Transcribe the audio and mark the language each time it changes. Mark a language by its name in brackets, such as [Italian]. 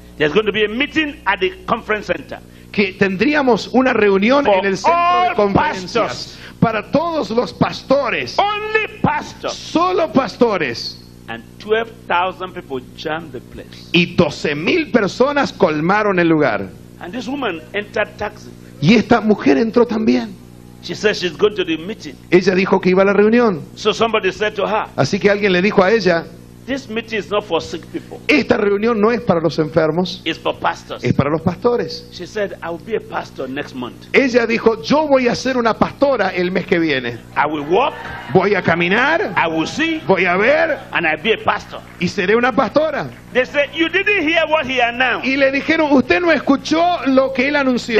[English] There's going to be a meeting at the conference center. [Spanish] Que tendríamos una reunión en el centro de conferencias. [English] Pastors. [Spanish] Para todos los pastores. [English] Only pastors. [Spanish] Solo pastores. [English] And 12,000 people jammed the place. [Spanish] Y 12,000 personas colmaron el lugar. [English] And this woman entered taxi. [Spanish] Y esta mujer entró también. [English] She said she's going to the meeting. [Spanish] Ella dijo que iba a la reunión. [English] So somebody said to her, [Spanish] así que alguien le dijo a ella, [English] this meeting is not for sick people. [Spanish] Esta reunión no es para los enfermos. [English] It's for pastors. [Spanish] Es para los pastores. [English] She said, I will be a pastor next month. [Spanish] Ella dijo, yo voy a ser una pastora el mes que viene. [English] I will walk. [Spanish] Voy a caminar. [English] I will see. [Spanish] Voy a ver. [English] And I'll be a pastor. [Spanish] Y seré una pastora. [English] They said, you didn't hear what he announced. [Spanish] Y le dijeron, usted no escuchó lo que él anunció.